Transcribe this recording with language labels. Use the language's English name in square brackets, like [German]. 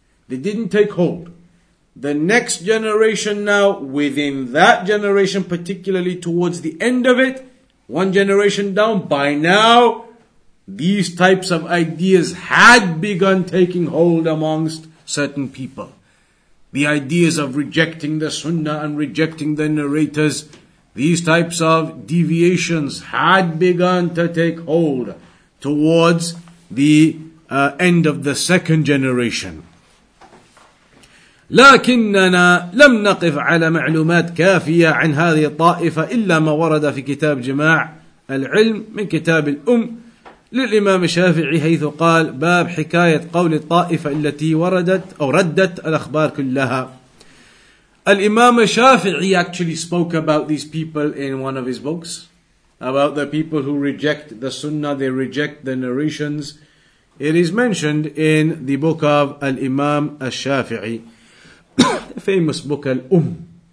[English] They didn't take hold. The next generation now, within that generation, particularly towards the end of it, one generation down, by now, these types of ideas had begun taking hold amongst certain people. The ideas of rejecting the sunnah and rejecting the narrators, these types of deviations had begun to take hold towards the end of the second generation. [Arabic] لكننا لم نقف على معلومات كافية عن هذه الطائفة إلا ما ورد في كتاب جماع العلم من كتاب الأم للإمام الشافعي حيث قال باب حكاية قول الطائفة التي وردت أو ردت الأخبار كلها. [English] Al-Imam Shafi'i actually spoke about these people in one of his books, about the people who reject the sunnah, they reject the narrations. It is mentioned in the book of Al-Imam Al-Shafi'i, the famous book Al-Umm.